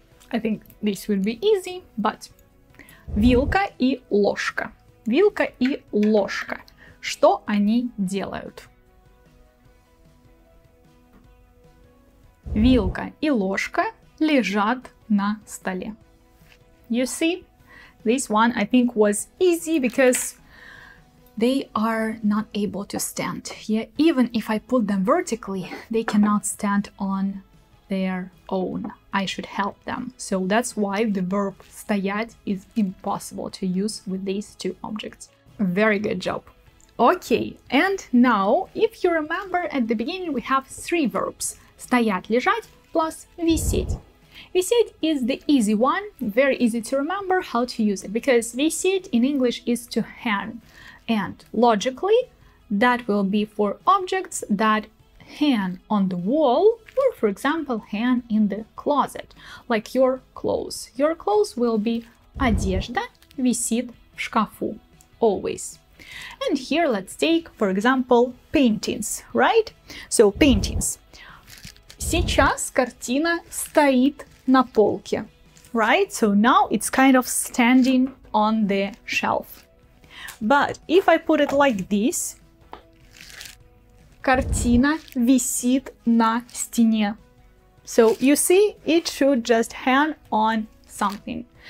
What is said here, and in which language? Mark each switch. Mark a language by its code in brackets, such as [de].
[en] I think this will be easy, but... [ru] Вилка и ложка. Вилка и ложка. Что они делают? Вилка и ложка лежат на столе. [en] You see, this one I think was easy because they are not able to stand. Yeah, even if I put them vertically, they cannot stand on their own. I should help them. So that's why the verb стоять is impossible to use with these two objects. Very good job. Okay, and now, if you remember, at the beginning we have three verbs. [ru] Стоять, лежать, plus висеть. [en] Висеть is the easy one, very easy to remember how to use it, because висеть in English is to hang. And logically, that will be for objects that hang on the wall, or for example, hang in the closet, like your clothes. Your clothes will be [ru] одежда висит в шкафу, [en] always. And here let's take, for example, paintings, right? So paintings. [ru] Сейчас картина стоит на полке, [en] right? So now it's kind of standing on the shelf. But if I put it like this, [ru] картина висит на стене. [en] So you see, it should just hang on something.